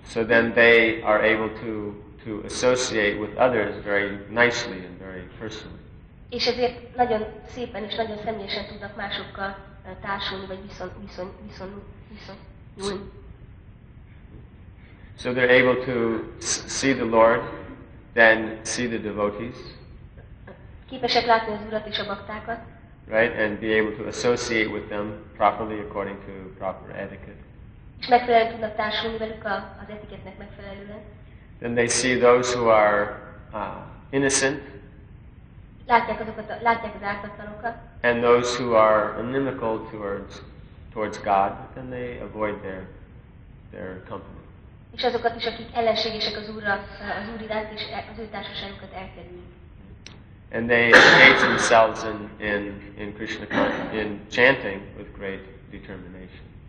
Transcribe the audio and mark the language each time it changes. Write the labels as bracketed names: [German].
[English] So then they are able to associate with others very nicely and very personally. [Hungarian] És ezért nagyon szépen és nagyon személyesen tudnak másokkal társulni, vagy viszonyulni. [English] So they're able to see the Lord, then see the devotees. [Hungarian] Képesek látni az Urat és a baktákat. [English] Right, and be able to associate with them properly according to proper etiquette. [Hungarian] És megfelelően tudnak társulni velük az etikettnek megfelelően. [English] Then they see those who are innocent. [Hungarian] Látják az ártatlanokat. [English] And those who are inimical towards God, then they avoid their company. [Hungarian] És azokat is, akik ellenségesek az Úrra, az Úr iránt, és az ő társaságukat elkerülik. [English] And they engage themselves in Krishna in chanting with great determination.